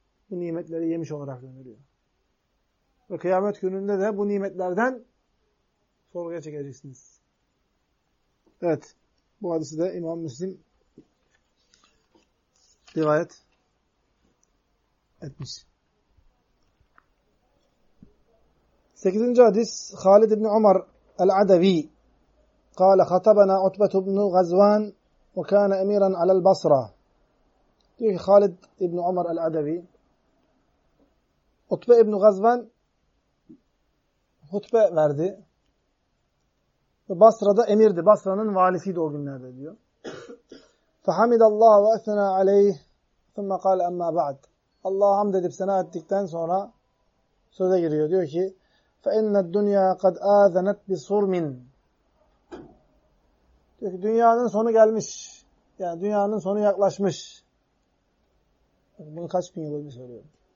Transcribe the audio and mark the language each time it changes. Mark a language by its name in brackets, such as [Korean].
[Turkish] Bu nimetleri yemiş olarak döndürüyor. Ve kıyamet gününde de bu nimetlerden sorguya çekeceksiniz. Evet. Bu hadisi de İmam Müslim rivayet etmiş. 8. [Arabic] hadis Halid ibn Umar el-Adavi قال خطبنا عتبة بن غزوان وكان أميرا على البصرة. [Turkish] diyor ki Halid ibn Umar el-Adavi Utbe ibn Gazvan hutbe verdi. Basra'da emirdi. Basra'nın valisiydi o günlerde diyor. [Arabic] فحمد الله وأثنى عليه ثم قال أما بعد. [Turkish] Allah'a hamd edip sena ettikten sonra söze giriyor. Diyor ki [Arabic] فَإِنَّ الدُّنْيَا قَدْ آذَنَتْ بِصُرْمٍ. [Turkish] Diyor ki dünyanın sonu gelmiş. Yani dünyanın sonu yaklaşmış. Bunu kaç bin yıl önce söylüyorum.